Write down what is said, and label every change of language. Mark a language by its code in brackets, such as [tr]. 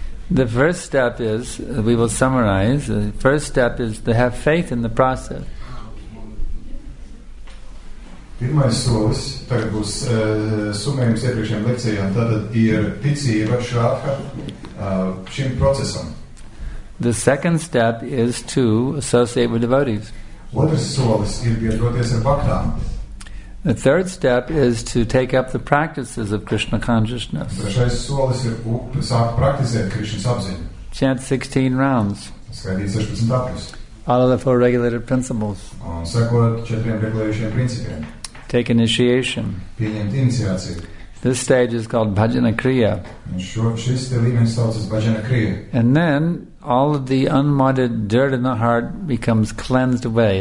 [en] The first step is, we will summarize, the first step is to have faith in the process. [lv] Pirmais solis, tagad būs summējums iepriekšējām lekcijām, tad ir ticība šrādha šim procesam. [en] The second step is to associate with devotees. [lv] Otrs solis ir biedroties ar bhaktām. [en] The third step is to take up the practices of Krishna consciousness. [lv] Trešais solis ir sākt praktizēt Krishna apziņu. [en] Chant 16 rounds. [lv] Skaidīt 16 apjus. [en] All of the four regulated principles. [lv] Un sekot četriem regulējušiem principiem. [en] Take initiation. This stage is called Bhajana Kriya. And then all of the unwanted dirt in the heart becomes cleansed away.